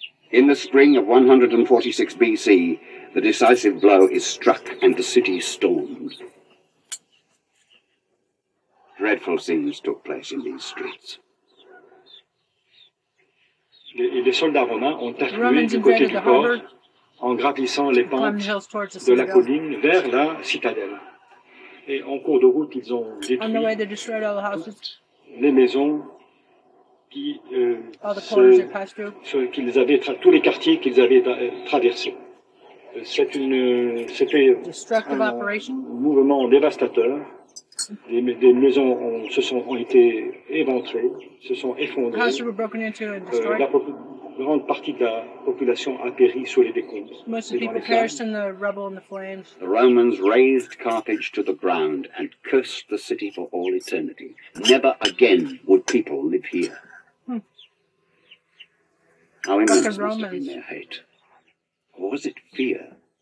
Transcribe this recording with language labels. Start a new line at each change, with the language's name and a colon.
English: In the spring of 146 BC, the decisive blow is struck and the city stormed. Dreadful scenes took place in these streets.
French: Les soldats romains ont afflué du côté du port. En gravissant les pentes de la colline vers la citadelle. Et en cours de route, ils ont détruit toutes les maisons qu'ils avaient, tous les quartiers qu'ils avaient traversés. C'était un mouvement dévastateur. Des maisons ont été éventrées, se sont effondrées. Une grande partie de la population a péri sous les décombres.
English: Most of the people perished in the rubble and the flames. The Romans razed Carthage to the ground and cursed the city for all eternity. Never again would people live here. How immense must have been their hate? Or was it fear?